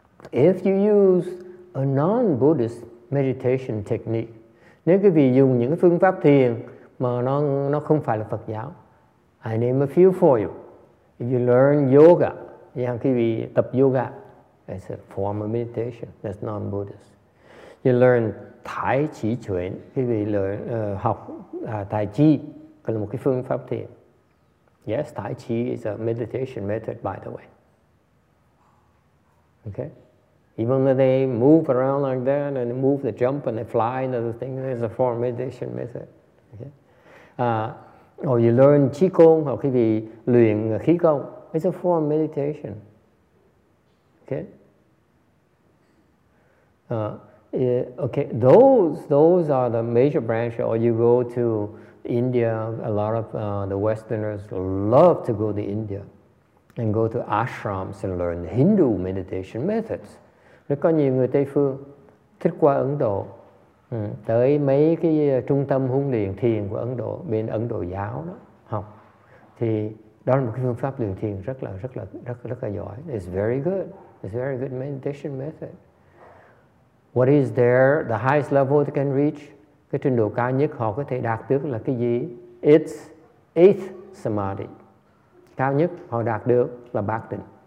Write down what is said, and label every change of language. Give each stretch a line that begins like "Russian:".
English: If you use a non-Buddhist meditation technique,
Vietnamese: nếu quý vị dùng những phương pháp thiền mà nó không phải là Phật giáo,
English: I name a few for you. If you learn yoga, yeah,
Vietnamese: quý vị tập yoga,
English: that's a form of meditation. That's non-Buddhist. You learn Tai Chi Chuan,
Vietnamese: quý vị learn học Tai Chi, là một cái phương pháp thiền.
English: Yes, Tai Chi is a meditation method, by the way. Okay? Even though they move around like that and they move, they jump and they fly and other things, there's a form meditation method. Okay? Or you learn Qi Gong, or
Vietnamese: quý vị luyện Khí Gong,
English: it's a form meditation. Okay? Those are the major branches. Or you go to India, a lot of the Westerners love to go to India and go to ashrams and learn Hindu meditation methods.
Vietnamese: Rất có nhiều người Tây Phương thích qua Ấn Độ, tới mấy cái trung tâm huấn luyện thiền của Ấn Độ, bên Ấn Độ giáo đó, học. Thì đó là một cái phương pháp luyện thiền rất là giỏi.
English: It's very good. It's a very good meditation method. What is there, the highest level they can reach?
Vietnamese: Cái trình độ cao nhất họ có thể đạt được là cái gì?
English: It's eighth samadhi.
Vietnamese: Cao nhất họ đạt được là bát định.